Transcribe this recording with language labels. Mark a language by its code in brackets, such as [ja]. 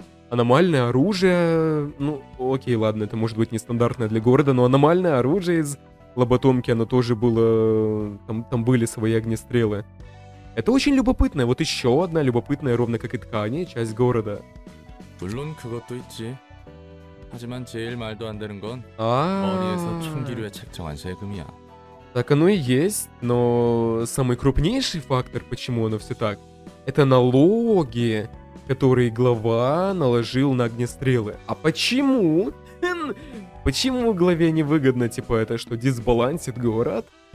[ru] Аномальное оружие, ну, окей, ладно, это может быть нестандартное для города, но аномальное оружие из лоботомки, оно тоже было, там были свои огнестрелы. Это очень любопытное, вот еще одна любопытная, ровно как и ткани, часть города. [ko] 물론 그것도 있지. 하지만 제일 말도 안 되는 건 머리에서 총기류에 책정한 세금이야. [ru] Так оно и есть, но самый крупнейший фактор, почему оно все так, это налоги. Который глава наложил на огнестрелы. А почему? Почему главе невыгодно, типа, это что, дисбалансит город?